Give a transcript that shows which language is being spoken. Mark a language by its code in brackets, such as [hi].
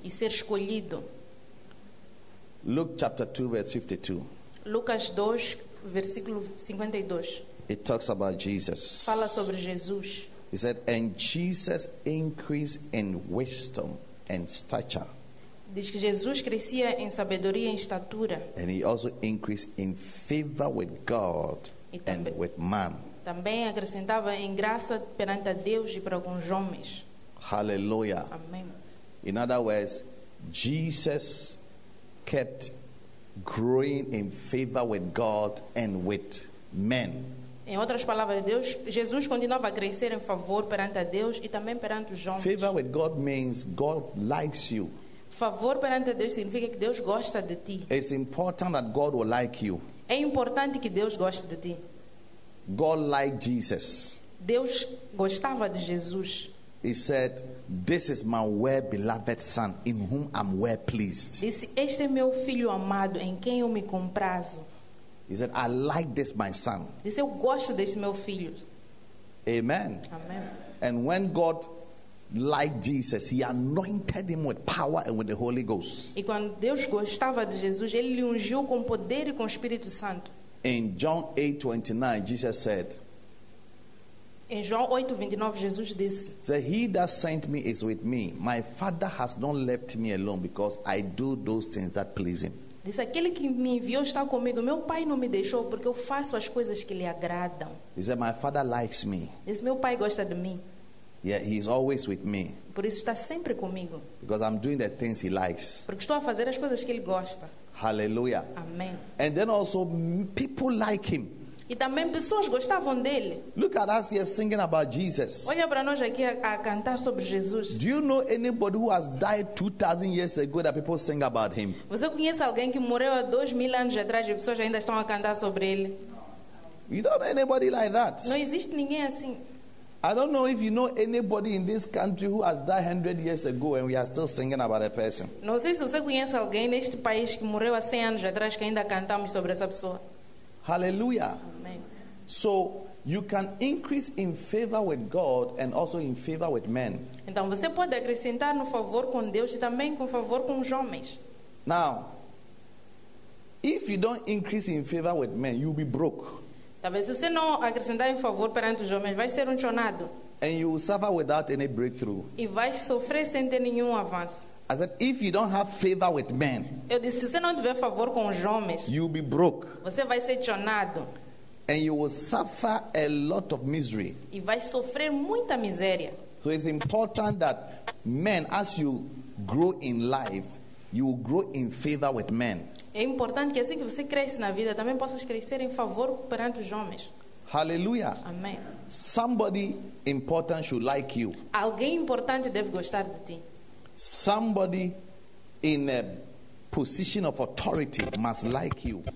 [pt] E ser escolhido. [en] Luke chapter 2 verse 52. [pt] Lucas 2 versículo 52. [en] It talks about Jesus. [pt] Fala sobre Jesus. [en] He said, "And Jesus increased in wisdom and stature." [pt] Diz que Jesus crescia em sabedoria e estatura. [en] And he also increased in favor with God and with man. [pt] Também acrescentava em graça perante a Deus e para com os homens. [en] Hallelujah. [pt] Amém. [en] In other words, Jesus kept growing in favor with God and with men. [pt] Em outras palavras, Deus, Jesus continuava a crescer em favor perante a Deus e também perante os homens. [en] Favor with God means God likes you. [pt] Favor perante a Deus significa que Deus gosta de ti. [en] It's important that God will like you. [pt] É importante que Deus goste de ti. [en] God liked Jesus. [pt] Deus gostava de Jesus. [en] He said, "This is my well-beloved son, in whom I'm well-pleased." [pt] Disse, este é meu filho amado, em quem eu me comprazo. [en] He said, "I like this my son." [pt] Disse, eu gosto desse meu filho. [en] Amen. [pt] Amen. [en] And when God liked Jesus, He anointed him with power and with the Holy Ghost. [pt] E quando Deus gostava de Jesus, Ele lhe ungiu com poder e com Espírito Santo. [en] In John 8:29, Jesus said. [pt] Em João 8:29, Jesus disse: [en] "He that sent me is with me. My Father has not left me alone because I do those things that please him." [pt] Diz: "Aquele que me enviou está comigo. Meu Pai não me deixou porque eu faço as coisas que lhe agradam." [en] Diz: "My Father likes me." [pt] Diz: "Meu Pai gosta de mim." [en] Yeah, he is always with me. [pt] Por isso está sempre comigo. [en] Because I'm doing the things he likes. [pt] Porque estou a fazer as coisas que ele gosta. [en] Hallelujah. [pt] Amém. [en] And then also people like him. [pt] E também pessoas gostavam dele. [en] Look at us here singing about Jesus. [pt] Olha para nós aqui a cantar sobre Jesus. [en] Do you know anybody who has died 2,000 years ago that people sing about him? [pt] Você conhece alguém que morreu há 2,000 anos atrás e pessoas ainda estão a cantar sobre ele? [en] You don't know anybody like that. [pt] Não existe ninguém assim. [en] I don't know if you know anybody in this country who has died 100 years ago and we are still singing about a person. [pt] Não sei se você conhece alguém neste país que morreu há 100 anos atrás que ainda cantamos sobre essa pessoa. [en] Hallelujah. [pt] Amen. [en] So you can increase in favor with God and also in favor with men. [pt] Então você pode acrescentar no favor com Deus e também com favor com os homens. [en] Now, if you don't increase in favor with men, you'll be broke. [pt] Talvez você não acrescentar em favor perante os homens, vai ser um chonado. [en] And you will suffer without any breakthrough. [pt] E vai sofrer sem ter nenhum avanço. [en] I said, if you don't have favor with men, [pt] eu disse, se você não tiver favor com os homens, [en] you'll be broke. [pt] Você vai ser chonado. [en] And you will suffer a lot of misery. [pt] E vai sofrer muita miséria. [en] So it's important that men, as you grow in life, you will grow in favor with men. [pt] É importante que assim que você cresce na vida, também possas crescer em favor perante os homens. [en] Hallelujah. [pt] Amém. [en] Somebody important should like you. [pt] Alguém importante deve gostar de ti. [en] Somebody in a position of authority must like you.